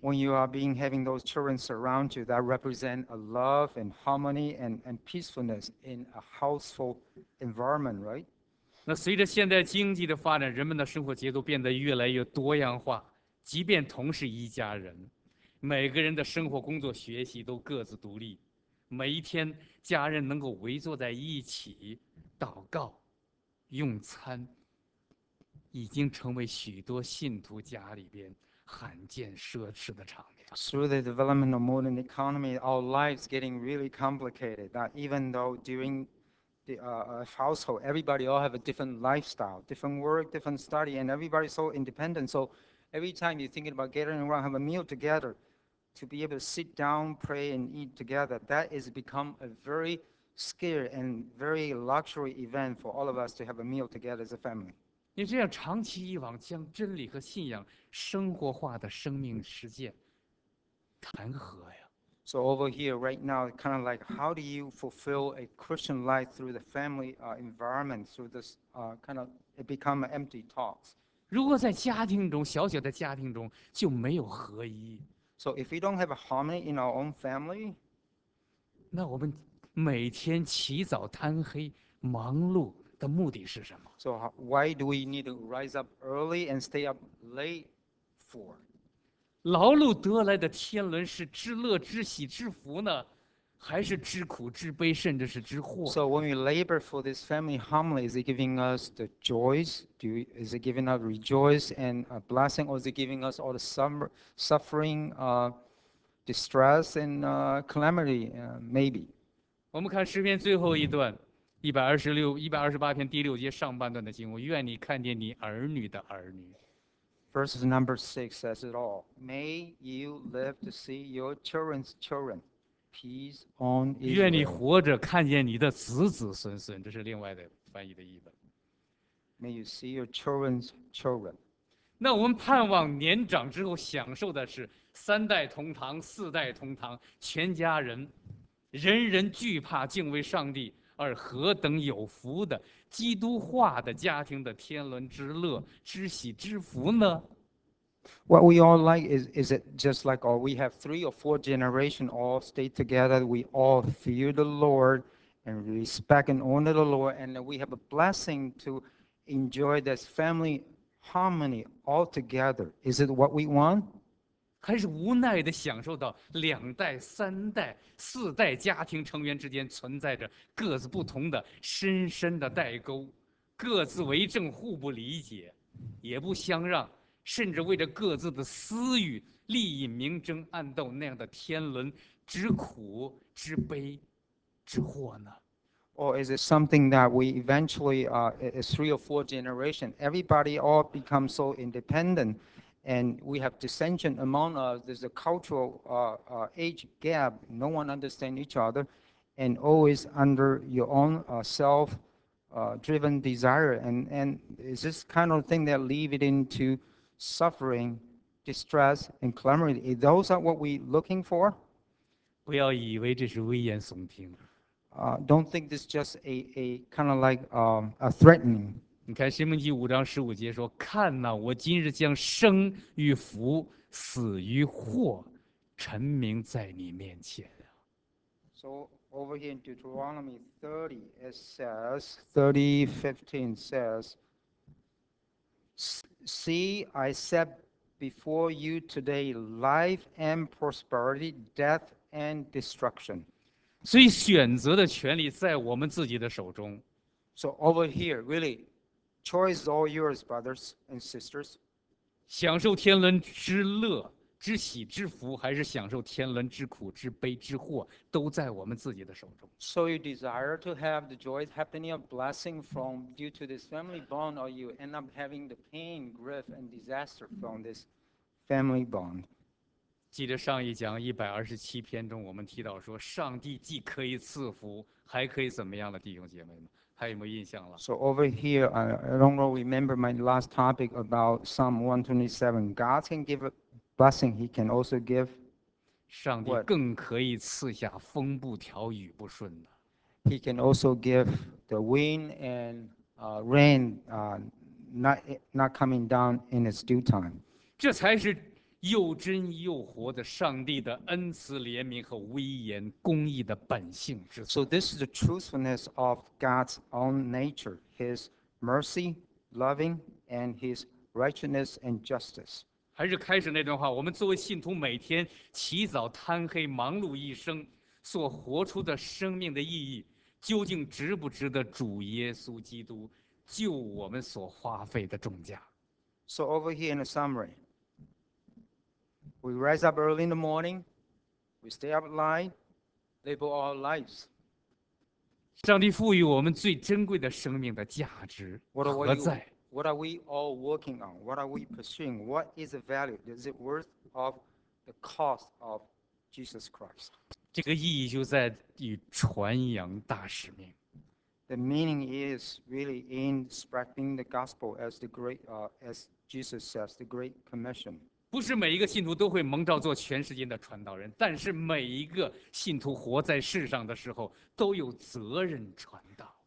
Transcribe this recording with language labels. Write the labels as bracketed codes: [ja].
[en] When you are being having those children surround you, that represent a love and harmony and peacefulness in a household environment, right? [zh] 那随着现代经济的发展，人们的生活节奏变得越来越多样化。即便同是一家人，每个人的生活、工作、学习都各自独立。每一天，家人能够围坐在一起祷告。用餐已经成为许多信徒家里边罕见奢侈的场面。 [en] Through the development of modern economy, our lives getting really complicated. That even though during the household, everybody all have a different lifestyle, different work, different study, and everybody so independent. So every time you thinking about getting around, have a meal together, to be able to sit down, pray, and eat together, that is become a very scare and very luxury event for all of us to have a meal together as a family. [zh] 你这样长期以往将真理和信仰生活化的生命实践，谈何呀？ [en] So over here right now, kind of like, how do you fulfill a Christian life through the family environment? Through this kind of it become an empty talks. [zh] 如果在家庭中，小小的家庭中就没有合一。 [en] So if we don't have a harmony in our own family, [zh] 那我们每天起早贪黑忙碌的目的是什么？ [en] So why do we need to rise up early and stay up late for? [zh] 劳碌得来的天伦是知乐知喜知福呢，还是知苦知悲甚至是知祸？ [en] So when we labor for this family harmony, is it giving us the joys? Is it giving us rejoice and a blessing, or is it giving us all the suffering, distress and calamity? Maybe. [zh] 我们看诗篇最后一段，128篇第6节上半段的经文：愿你看见你儿女的儿女。 [en] Verse number 6 says it all. May you live to see your children's children. Peace on Israel. [zh] 愿你活着看见你的子子孙孙，这是另外的翻译的译本。 [en] May you see your children's children. [zh] 那我们盼望年长之后享受的是三代同堂、四代同堂、全家人。人人惧怕敬畏上帝，而何等有福的基督化的家庭的天伦之乐、知喜知福呢？ [en] What we all like is it just like all we have three or four generation all stay together. We all fear the Lord and respect and honor the Lord, and we have a blessing to enjoy this family harmony all together. Is it what we want? [zh] 还是无奈地享受到两代、三代、四代家庭成员之间存在着各自不同的深深的代沟，各自为政，互不理解，也不相让，甚至为着各自的私欲、利益、明争暗斗那样的天伦之苦、之悲、之祸呢？ [en] Or is it something that we eventually it's three or four generation, everybody all become so independent? And we have dissension among us. There's a cultural age gap. No one understands each other, and always under your own self-driven desire. And is this kind of thing that lead it into suffering, distress, and calamity? Is those are what we're looking for? [zh] 不要以为这是危言耸听。 [en] Don't think this is just a kind of like a threatening. [zh] 你看《申命记》5:15说：“看哪，我今日将生与福、死与祸，陈明在你面前。” [en] So over here in Deuteronomy 30, it says 30:15 says, See, I set before you today life and prosperity, death and destruction. [zh] 所以选择的权利在我们自己的手中。 [en] So over here, really, choice is all yours, brothers and sisters. [zh] 享受天伦之乐、之喜、之福，还是享受天伦之苦、之悲、之祸，都在我们自己的手中。 [en] So you desire to have the joy, happiness, and blessing from due to this family bond, or you end up having the pain, grief, and disaster from this family bond. [zh] 记得上一讲127篇中，我们提到说，上帝既可以赐福，还可以怎么样的，弟兄姐妹们？还有没有印象了 [en] ？So over here, I don't know. Remember my last topic about Psalm 127. God can give a blessing; He can also give. [zh] 上帝更可以赐下风不调雨不顺的。 [en] He can also give the wind and rain, not coming down in its due time. [zh] 这才是又真又活的上帝的恩慈、怜悯和威严、公义的本性之所。 [en] So this is the truthfulness of God's own nature, His mercy, loving, and His righteousness and justice. [zh] 还是开始那段话，我们作为信徒，每天起早贪黑、忙碌一生，所活出的生命的意义，究竟值不值得主耶稣基督救我们所花费的重价 [en] ？So over here in a summary. We rise up early in the morning. We stay up late. Label our lives. [zh] 上帝赋予我们最珍贵的生命的价值何在 [en] ？What are we all working on? What are we pursuing? What is the value? Is it worth of the cost of Jesus Christ? [zh] 这个意义就在于传扬大使命。 [en] The meaning is really in spreading the gospel as the great, as Jesus says, the Great Commission. [zh] 不是每一个信徒都会蒙召做全世界的传道人，但是每一个信徒活在世上的时候都有责任传道。